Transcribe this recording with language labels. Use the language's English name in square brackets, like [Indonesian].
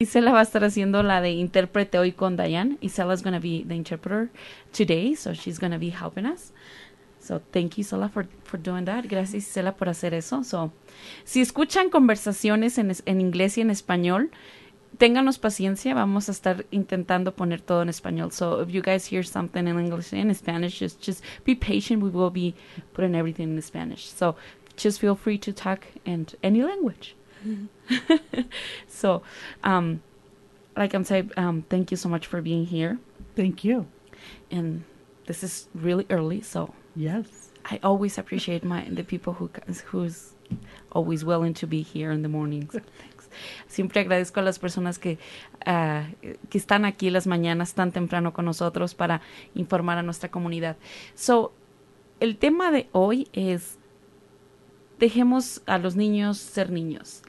[Spanish] Y se la va a estar haciendo la de intérprete hoy con Diane. [English] Y Sela's gonna be the interpreter today, so she's gonna be helping us. So thank you, Sela, for doing that. [Spanish] Gracias, Sela, por hacer eso. So, si escuchan conversaciones en inglés y en español, ténganos paciencia. Vamos a estar intentando poner todo en español. [English] So if you guys hear something in English and in Spanish, just be patient. We will be putting everything in Spanish. So just feel free to talk in any language. So, like I'm saying, thank you so much for being here. Thank you. And this is really early, so Yes. I always appreciate the people who's always willing to be here in the mornings. Thanks. [Spanish] Siempre agradezco a las personas que están aquí las mañanas tan temprano con nosotros para informar a nuestra comunidad. So, el tema de hoy es dejemos a los niños ser niños.